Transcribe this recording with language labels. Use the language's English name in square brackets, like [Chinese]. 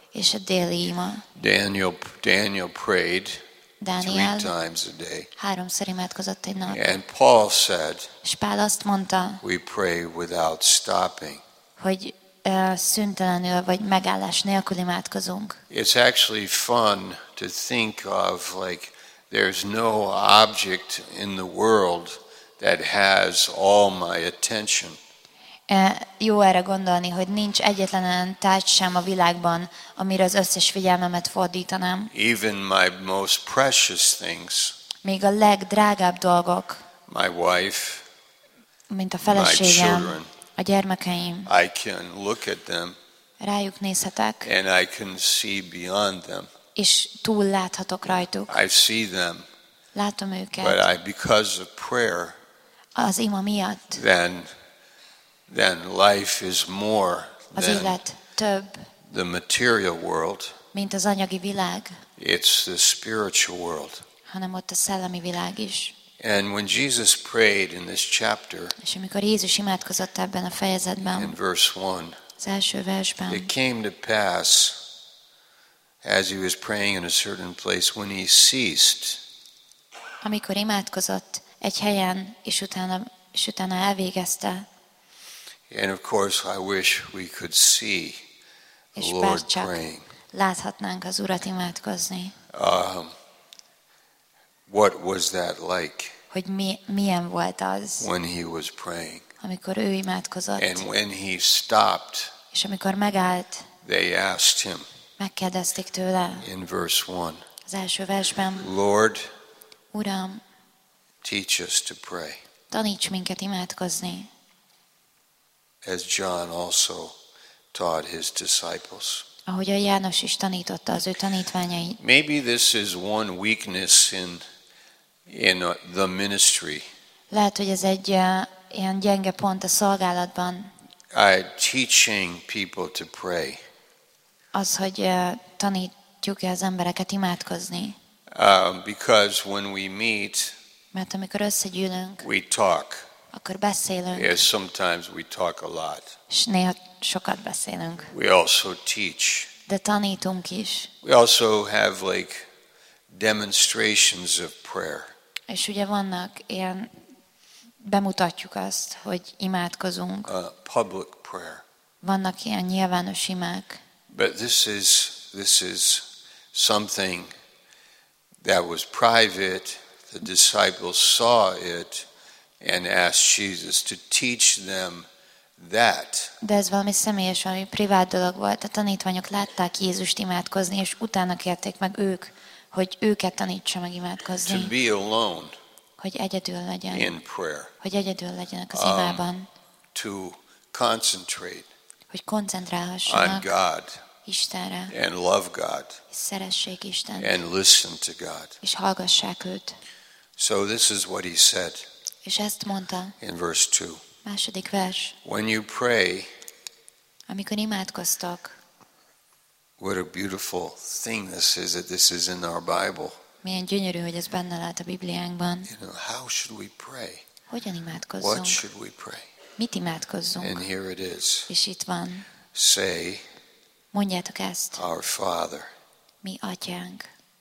[Hungarian] És a déli ima. [English] Daniel prayed Daniel three times a day. [Hungarian] Háromszor imádkozott egy nap. [English] And Paul said, [Hungarian] és Pál azt mondta, [English] we pray without stopping. [Hungarian] hogy szüntelenül vagy megállás nélkül imádkozunk. [English] It's actually fun to think of like there's no object in the world that has all my attention. [Hungarian] Jó erre gondolni, hogy nincs egyetlen tárgy sem a világban, amire az összes figyelmemet fordítanám. [English] Even my most precious things. [Hungarian] Még a legdrágább dolgok. [English] My wife. [Hungarian] Mint a feleségem. [English] My children. [Hungarian] A gyermekeim. [English] I can look at them. [Hungarian] Rájuk nézhetek. [English] And I can see beyond them. [Hungarian] És túl láthatok rajtuk. [English] I see them. [Hungarian] Látom őket. [English] But I, because of prayer. [Hungarian] Az ima miatt. [English] Then life is more [Hungarian] az [English] than [Hungarian] élet több, [English] the material world. [Hungarian] Mint az anyagi világ. [English] It's the spiritual world. [Hungarian] Hanem ott a szellemi világ is. [English] And when Jesus prayed in this chapter, [Hungarian] és amikor Jézus imádkozott ebben a fejezetben, [English] in verse 1, [Hungarian] az első versben, [English] it came to pass, as he was praying in a certain place, when he ceased, [Hungarian] amikor imádkozott egy helyen, és utána elvégezte. [English] And of course, I wish we could see the Lord praying. [Hungarian] Láthatnánk az Urat imádkozni. [English] What was that like? [Hungarian] Hogy milyen volt az? [English] When he was praying. [Hungarian] Amikor ő imádkozott. [English] And when he stopped. [Hungarian] És amikor megállt. [English] They asked him. [Hungarian] Megkérdezték tőle. [English] In verse 1. [Hungarian] Az első versben. [English] Lord. [Hungarian] Uram. [English] Teach us to pray. [Hungarian] Taníts minket imádkozni. [English] As John also taught his disciples. [Hungarian] Ahogy a János is tanította az ő tanítványait. [English] Maybe this is one weakness in the ministry. [Hungarian] Lehet, hogy ez egy ilyen gyenge pont a szolgálatban. [English] Teaching people to pray. [Hungarian] Az, hogy tanítjuk az embereket imádkozni. [English] Because when we meet, [Hungarian] mert amikor összegyűlünk, [English] we talk. [Hungarian] Akkor beszélünk. [English] Yes, sometimes we talk a lot. [Hungarian] És néha sokat beszélünk. [English] We also teach. [Hungarian] De tanítunk is. [English] We also have like demonstrations of prayer. [Hungarian] És ugye vannak ilyen, bemutatjuk azt, hogy imádkozunk. [English] Public prayer. [Hungarian] Vannak ilyen nyilvános imák. [English] But this is something that was private. The disciples saw it and asked Jesus to teach them that. [Hungarian] De ez valami személyes, valami privát dolog volt. A tanítványok látták Jézust imádkozni, és utána kérték meg ők, hogy őket tanítsa meg imádkozni. [English] To be alone. [Hungarian] Hogy egyedül legyen. [English] In prayer. [Hungarian] Hogy egyedül legyenek az imában. [English] To concentrate. [Hungarian] Hogy koncentrálhassanak. [English] On God. [Hungarian] Istenre. [English] And love God. [Hungarian] És szeressék Istent. [English] And listen to God. [Hungarian] És hallgassák őt. [English] So this is what he said. [Hungarian] És ezt mondta. [English] In verse 2. [Hungarian] Második vers. [English] When you pray. [Hungarian] Amikor imádkoztok. [English] What a beautiful thing this is that this is in our Bible. [Hungarian] Milyen gyönyörű, hogy ez benne lát a Bibliánkban. [English] You know, how should we pray? [Hungarian] Hogyan imádkozzunk? [English] What should we pray? [Hungarian] Mit imádkozzunk? [English] And here it is. [Hungarian] És itt van. [English] Say. [Hungarian] Mondjátok ezt. [English] Our Father. [Hungarian] Mi Atyánk.